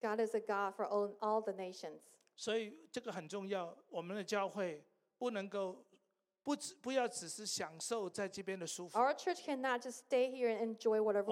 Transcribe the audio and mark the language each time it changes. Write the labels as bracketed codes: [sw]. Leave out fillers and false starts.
[en] God is a God for all the nations. [zh] 所以这个很重要，我们的教会不能够 不要只是享受在这边的舒服。 [en] Our church cannot just stay here and enjoy whatever we have.